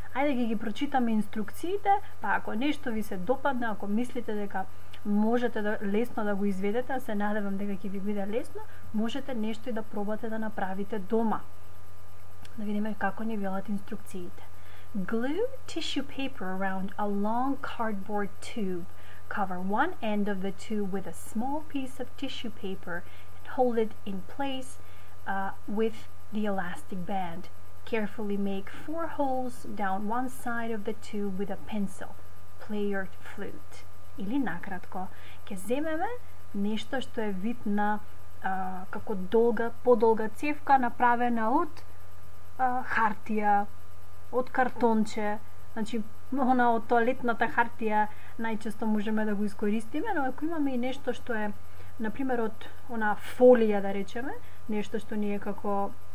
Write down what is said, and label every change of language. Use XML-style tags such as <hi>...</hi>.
<mk>Ајде ги прочитаме инструкциите, па ако нешто ви се допадне, ако мислите дека можете да, лесно да го изведете, се надевам дека ќе ви биде лесно, можете нешто и да пробате да направите дома. Да видиме како ни велат инструкциите.</mk> <en>Glue tissue paper around a long cardboard tube. Cover one end of the tube with a small piece of tissue paper and hold it in place with the elastic band. Carefully make 4 holes down one side of the tube with a pencil. Play your flute.</en> <mk>Или накратко, ќе земеме нешто што е вид на како долга, подолга цевка направена од хартија. Од картонче, значи, она од тоалетната хартија најчесто можеме да го искористиме, но ако имаме и нешто што е, например, од она фолија, да речеме, нешто што не е како</mk>